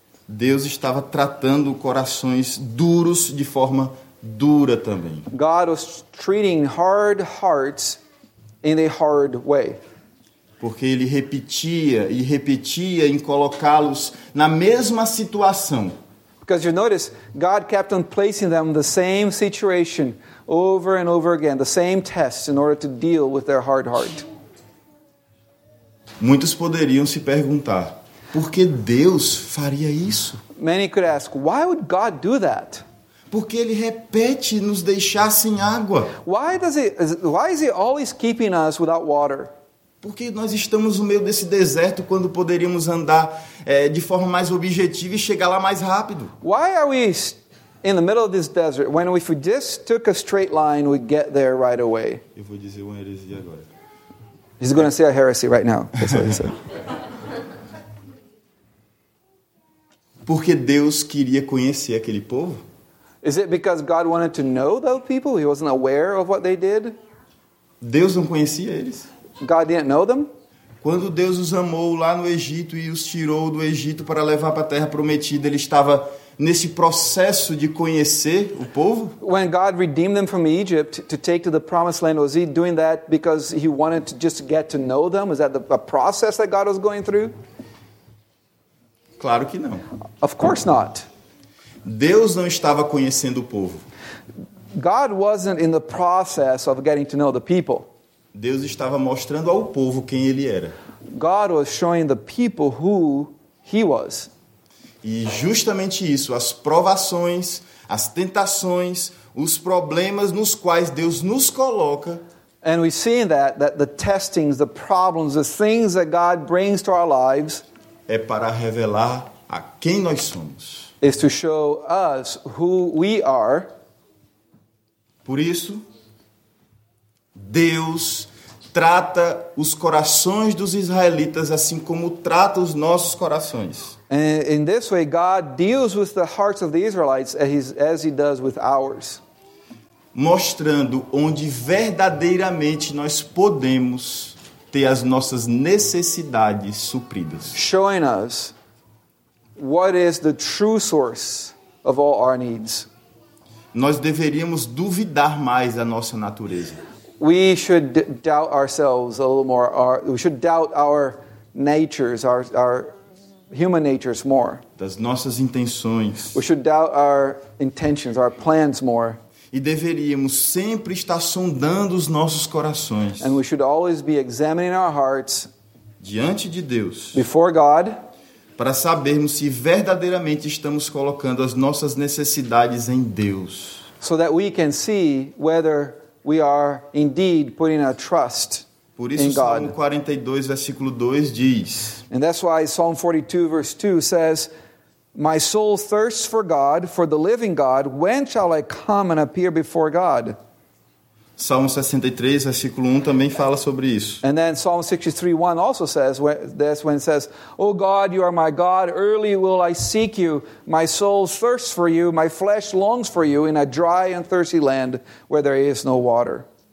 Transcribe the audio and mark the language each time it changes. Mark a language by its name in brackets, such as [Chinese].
[Portuguese] Deus estava tratando corações duros de forma dura também. [English] God was treating hard hearts in a hard way. [Portuguese] Porque ele repetia e repetia em colocá-los na mesma situação. [English] Because you notice, God kept on placing them in the same situation over and over again, the same tests in order to deal with their hard heart. [Portuguese] Muitos poderiam se perguntar, por que Deus faria isso? [English] Many could ask, why would God do that? [Portuguese] Porque ele repete nos deixar sem água. [English] Why is he always keeping us without water? [Portuguese] Porque nós estamos no meio desse deserto quando poderíamos andar de forma mais objetiva e chegar lá mais rápido? [English] Why are we in the middle of this desert when if we just took a straight line we'd get there right away? [Portuguese] Eu vou dizer uma heresia agora. [English] He's going to say a heresy right now. That's what he said. [Portuguese] Porque Deus queria conhecer aquele povo? [English] Is it because God wanted to know those people? He wasn't aware of what they did? [Portuguese] Deus não conhecia eles? [English] God didn't know them? [Portuguese] Quando Deus os amou lá no Egito e os tirou do Egito para levar para a terra prometida, ele estava nesse processo de conhecer o povo? [English] When God redeemed them from Egypt to take to the promised land, was he doing that because he wanted to just get to know them? Was that a process that God was going through? [Portuguese] Claro que não. [English] Of course not. [Portuguese] Deus não estava conhecendo o povo. [English] God wasn't in the process of getting to know the people. [Portuguese] Deus estava mostrando ao povo quem ele era. [English] God was showing the people who he was. [Portuguese] E justamente isso, as provações, as tentações, os problemas nos quais Deus nos coloca. [English] And we see in that the testings, the problems, the things that God brings to our lives [Portuguese] é para revelar a quem nós somos. [English] Is to show us who we are. [Portuguese] Por isso, Deus trata os corações dos israelitas assim como trata os nossos corações. [English] And in this way, God deals with the hearts of the Israelites as he does with ours. [Portuguese] Mostrando onde verdadeiramente nós podemos ter as nossas necessidades supridas. [English] Showing us what is the true source of all our needs. [Portuguese] Nós deveríamos duvidar mais da nossa natureza. [English] We should doubt ourselves a little more. We should doubt our natures, our human natures more. [Portuguese] Das nossas intenções. [English] We should doubt our intentions, our plans more. [Portuguese] E deveríamos sempre estar sondando os nossos corações. [English] And we should always be examining our hearts. [Portuguese] Diante de Deus. [English] Before God. [Portuguese] Para sabermos se verdadeiramente estamos colocando as nossas necessidades em Deus. [English] So that we can see whether we are indeed putting our trust in God. [Portuguese] Por isso, Salmo 42, versículo 2 diz. [English] And that's why Psalm 42, verse 2 says, "My soul thirsts for God, for the living God. When shall I come and appear before God?" Salmo 63, versículo 1 também fala sobre isso. And then Psalm 63, 1 also says, that's when it says, "Oh God, you are my God. Early will I seek you. My soul thirsts for you. My flesh longs for you in a dry and thirsty land where there is no water."